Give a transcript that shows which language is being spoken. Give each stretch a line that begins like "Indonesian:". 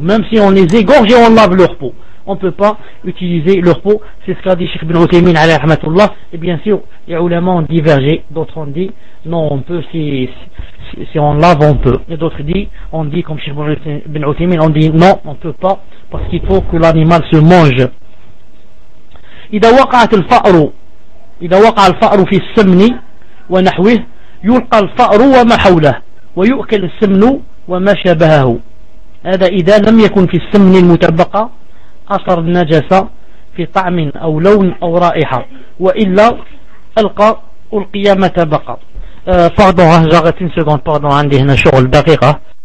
French: Même si on les égorge et on lave leur peau, on ne peut pas utiliser leur peau. C'est ce qu'a dit Cheikh Ibn Uthaymeen alayhi rahmatullah. Et bien sûr, les ulama ont divergé. D'autres ont dit non, on peut si on lave, on peut. Et d'autres ont dit comme Cheikh Ibn Uthaymeen, on dit non, on ne peut pas, parce qu'il faut que l'animal se mange.
Arabic: إذا وقعت الفأر, إذا وقع الفأر في السمن ونحوه, يلقى الفأر وما حوله ويؤكل السمن وما شبهه. هذا إذا لم يكن في السمن المتبقى أثر النجسة في طعم أو لون أو رائحة, وإلا ألقى القيامة بقى.
French: Pardon, j'arrête une seconde, pardon,
Arabic: عندي هنا شغل دقيقة.